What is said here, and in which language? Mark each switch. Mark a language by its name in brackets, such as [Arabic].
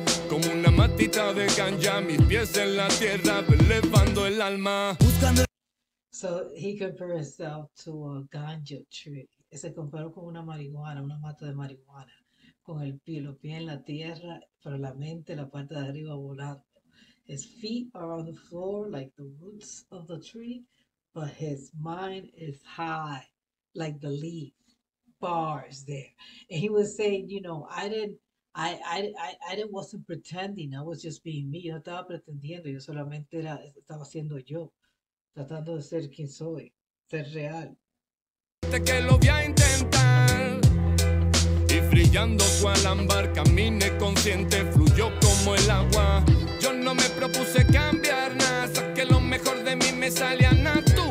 [Spanish] Como una matita de ganja, mis pies en la tierra, elevando el alma. [English] So he compared himself to a ganja tree. [Spanish] Se comparó con una marihuana, una mata de marihuana. Con el pie, los pies en la tierra, pero la mente, la parte de arriba volando. [English] His feet are on the floor, like the roots of the tree, but his mind is high. Like the leaf bars there, and he was saying, you know, I wasn't pretending. I was just being me. [Spanish] Yo no estaba pretendiendo. Yo solamente era, estaba siendo yo, tratando de ser quien soy, ser real. Te que lo voy a intentar. Y brillando cual ámbar, caminé consciente, fluyó como el agua. Yo no me propuse cambiar nada, hasta que lo mejor de mí me salía natural.